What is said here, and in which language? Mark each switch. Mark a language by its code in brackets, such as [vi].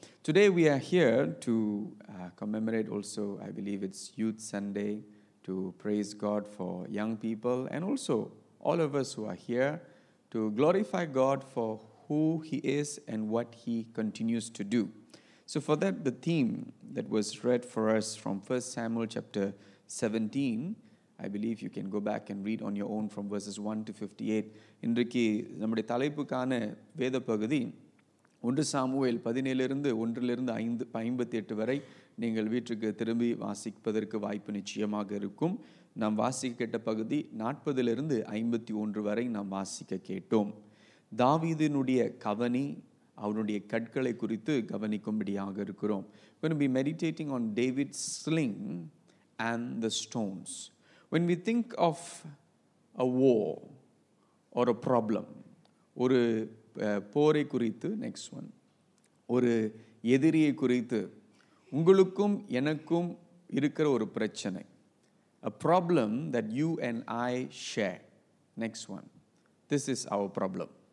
[en] Today we are here to commemorate also, I believe it's Youth Sunday, to praise God for young people and also all of us who are here to glorify God for who He is and what He continues to do. So for that, the theme that was read for us from 1 Samuel chapter 17, I believe you can go back and read on your own from verses 1 to 58. [ta] இன்றைக்கு நம்முடைய தலைப்புக்கான வேத பகுதி 1 Samuel 17 1 58 வரை நீங்கள் வீட்டுக்கு திரும்பி வாசிப்பதற்கு வாய்ப்பு நிச்சயமாக இருக்கும். நாம் வாசிக்கப்பட்ட பகுதி 40-51 வரை நாம் வாசிக்க கேட்டோம். தாவீதினுடைய கவனி, அவனுடைய கற்களை குறித்து கவனிக்கும்படியாக இருக்கிறோம். [en] We'll be meditating on David's sling and the stones. When we think of a war or a problem, [ta] ஒரு போரை குறித்து, [en] next one, [ta] ஒரு எதிரியை குறித்து, உங்களுக்கும் எனக்கும் இருக்கிற ஒரு பிரச்சனை, [en] a problem that you and I share, next one, this is our problem.